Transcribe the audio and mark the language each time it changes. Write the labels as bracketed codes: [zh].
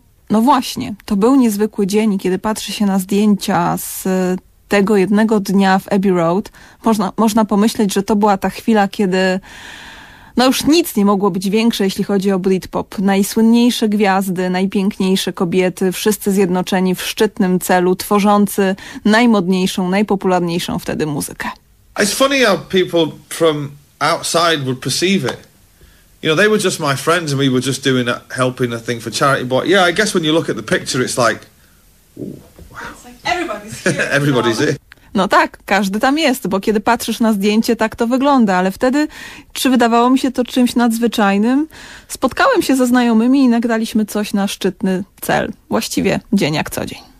[pl] No właśnie, to był niezwykły dzień, kiedy patrzy się na zdjęcia z tego jednego dnia w Abbey Road, można pomyśleć, że to była ta chwila, kiedy no już nic nie mogło być większe, jeśli chodzi o Britpop. Najsłynniejsze gwiazdy, najpiękniejsze kobiety, wszyscy zjednoczeni w szczytnym celu, tworzący najmodniejszą, najpopularniejszą wtedy muzykę. [en] It's funny how people from outside would perceive it. You know, they were just my friends and we were just doing a, helping a thing for charity. But yeah, I guess when you look at the picture, it's like, ooh, wow. It's like everybody's here. Everybody's here. [pl] No tak, każdy tam jest, bo kiedy patrzysz na zdjęcie, tak to wygląda, ale wtedy, czy wydawało mi się to czymś nadzwyczajnym? Spotkałem się ze znajomymi i nagraliśmy coś na szczytny cel. Właściwie dzień jak co dzień.